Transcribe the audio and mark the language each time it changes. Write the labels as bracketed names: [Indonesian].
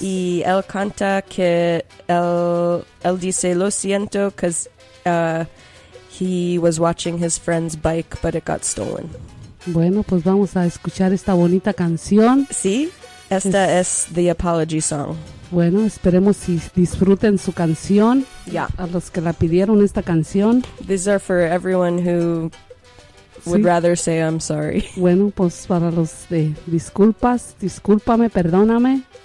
[Spanish] Y él canta que él dice lo siento [English] because he was watching his friend's bike but it got stolen. [Spanish] Bueno, pues vamos a escuchar esta bonita canción. Sí, esta es the apology song. Bueno, esperemos si disfruten su canción. [English] Yeah. [Spanish] A los que la pidieron esta canción. [English] These are for everyone who would rather say I'm sorry. [Spanish] Bueno, pues para los de disculpas, discúlpame, perdóname.